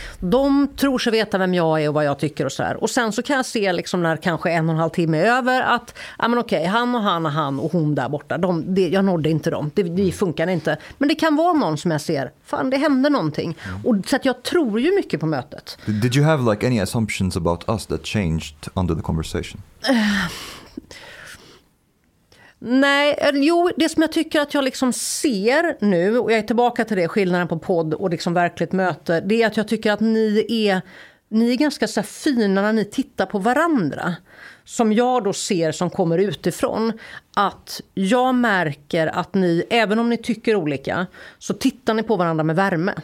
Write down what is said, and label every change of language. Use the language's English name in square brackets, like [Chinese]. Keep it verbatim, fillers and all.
[Swedish] De tror sig veta vem jag är och vad jag tycker och sådär. Och sen så kan jag se liksom när kanske en och en halv timme är över att, ja men okej, han och han och han och hon där borta, de, det, jag nådde inte dem. Det, det funkar inte. Men det kan vara någon som jag ser, fan, det hände någonting. Och, så att jag tror ju mycket på mötet. [English] Did you have like any assumptions about us that changed under the conversation? Uh, [Swedish] nej, jo, det som jag tycker att jag liksom ser nu, och jag är tillbaka till det, skillnaden på podd och liksom verkligt möte, det är att jag tycker att ni är, ni är ganska så här fina när ni tittar på varandra. Som jag då ser som kommer utifrån, att jag märker att ni, även om ni tycker olika, så tittar ni på varandra med värme.